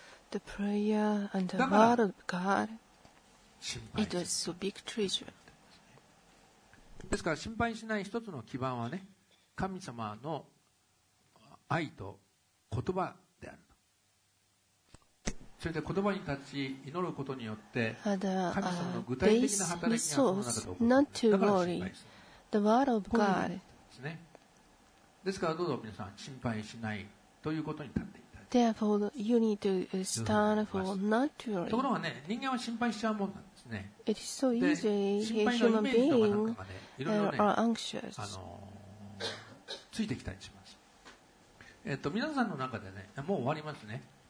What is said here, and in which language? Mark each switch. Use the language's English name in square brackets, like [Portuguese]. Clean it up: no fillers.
[English] The prayer and the word of God, it was so big treasure. [Japanese] ですから心配しない一つの基盤はね、神様の愛と言葉であると。それで言葉に立ち祈ることによって神様の具体的な働きがその中で起こる。だから心配する。 [English] The word of God [Japanese] ですね。ですからどうぞ皆さん心配しないということに立っていただき。 [English] Therefore you need to stand for not to worry。 [Japanese] ところがね、人間は心配しちゃうもんなんですね。 [English] It is so easy human being。 [Japanese] いろいろね、 [English] anxious. [Japanese] ついてきたりします。皆さんの中でね、もう終わりますね。